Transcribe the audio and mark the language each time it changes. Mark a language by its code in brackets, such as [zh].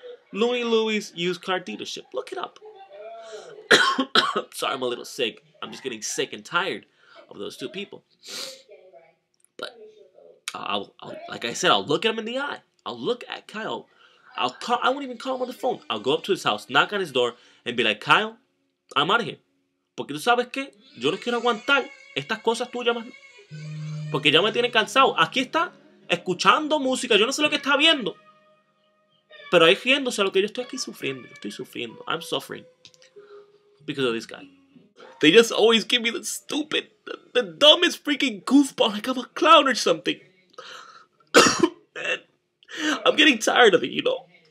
[en] Looney Louie's used car dealership. Look it up. Sorry, I'm a little sick. I'm just getting sick and tired of those two people. I'll look at him in the eye. I'll look at Kyle. I won't even call him on the phone. I'll go up to his house, knock on his door, and be like, Kyle, I'm out of here. [es] Porque tú sabes qué? Yo no quiero aguantar estas cosas tuyas más. Porque ya me tiene cansado. Aquí está escuchando música. Yo no sé lo que está viendo. Pero ahí riéndose a lo que yo estoy aquí sufriendo. Yo estoy sufriendo. [en] I'm suffering because of this guy. They just always give me the stupid, the dumbest freaking goofball, like I'm a clown or something. Man, I'm getting tired of it, you know.